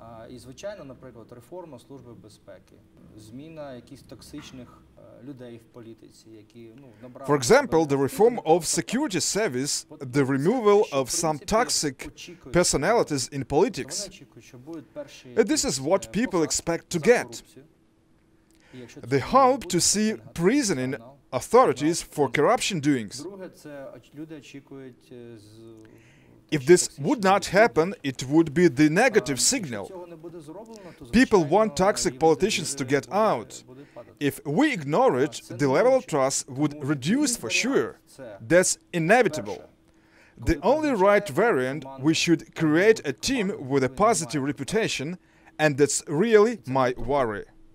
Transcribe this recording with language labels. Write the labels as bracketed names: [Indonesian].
[Ukrainian] І, звичайно, наприклад, реформа Служби безпеки, зміна якихось токсичних людей в політиці, які, ну, набрали... [English] For example, the reform of security service, the removal of some toxic personalities in politics. This is what people expect to get. They hope to see prisoning authorities for corruption doings. [Ukrainian] Друге, це люди очікують з... [English] If this would not happen, it would be the negative signal. People want toxic politicians to get out. If we ignore it, the level of trust would reduce for sure. That's inevitable. The only right variant, we should create a team with a positive reputation, and that's really my worry.